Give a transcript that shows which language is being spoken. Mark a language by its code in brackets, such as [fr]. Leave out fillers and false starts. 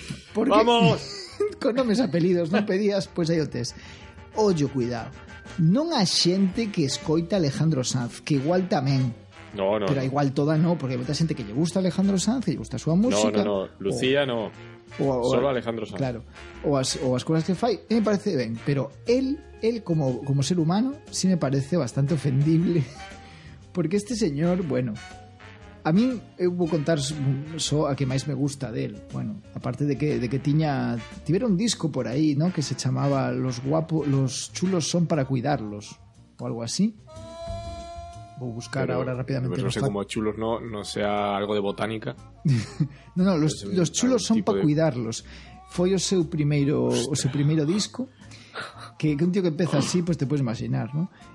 [gl] Porque, ¡vamos! Con nomes apelidos non pedías, pois aí o tes. Ollo, cuidado. Non a xente que escoita Alejandro Sanz, que igual tamén. No. Pero igual toda no, porque hai moita xente que lle gusta Alejandro Sanz, que lle gusta a súa música. No. Lucía, no. O solo Alejandro Sanz. Claro. O as cousas que fai, me parece ben, pero él como ser humano, sí me parece bastante ofendible. Porque este señor, bueno, a mí eu vou contar só a que máis me gusta del. Bueno, aparte de que tivera un disco por aí, ¿no? Que se chamaba Los chulos son para cuidarlos o algo así. Vou buscar pero, [es] ahora rápidamente. Pues no sé cómo chulos no sea algo de botánica. No, los chulos son para cuidarlos. [gl] Foi o seu primeiro disco. [es] Que un tío que empeza así, pues te puedes imaginar, ¿no?